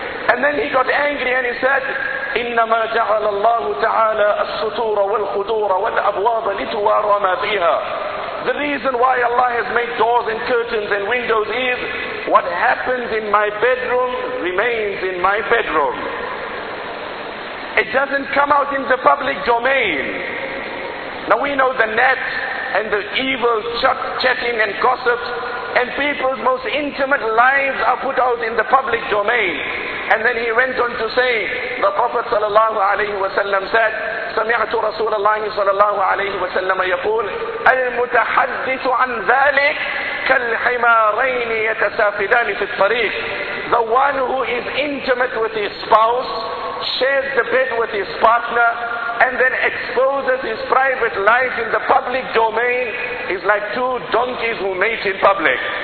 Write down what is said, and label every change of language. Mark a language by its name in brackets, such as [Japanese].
[English] And then he got angry and he said, [Arabic] إِنَّمَا جَعَلَ اللَّهُ تَعَالَى السُّتُورَ وَالْخُدُورَ وَالْأَبْوَابَ لِتُوَارَ مَا فِيهَا. [English] The reason why Allah has made doors and curtains and windows is, what happens in my bedroom remains in my bedroom. It doesn't come out in the public domain. Now we know the net and the evil chatting and gossips, and people's most intimate lives are put out in the public domain. And then he went on to say, the Prophet sallallahu alayhi wa sallam said, [Arabic] سمعت رسول الله صلى الله عليه وسلم يقول المتحدث عن ذلك كالحمارين يتسافدان في الطريق. [English] The one who is intimate with his spouse, shares the bed with his partner, and then exposes his private life in the public domain is like two donkeys who mate in public.